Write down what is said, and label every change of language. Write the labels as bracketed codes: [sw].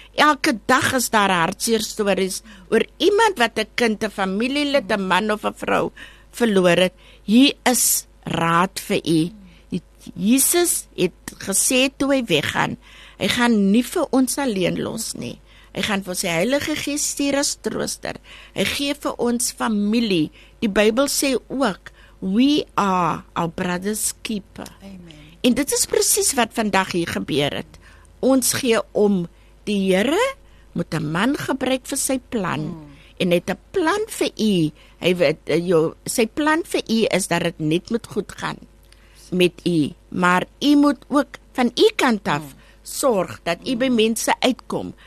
[af] Elke dag is daar hartseer stories oor iemand wat 'n kind, 'n familielid, 'n man of 'n vrou verloor het. Hier is raad vir u. Jesus het gesê toe hy weggaan, hy gaan nie vir ons alleen los nie. Hy gaan vir sy Heilige Gees stuur as trooster. Hy gee vir ons familie. Die Bybel sê ook, [en] we are our brother's keeper. [af] Amen. En dit is presies wat vandag hier gebeur het. Ons gee om, die Here moet 'n man gebruik vir sy plan. En het 'n plan vir u. Hy weet, sy plan vir u is dat dit net moet goed gaan met u. Maar u moet ook van u kant af sorg dat u by mense uitkom.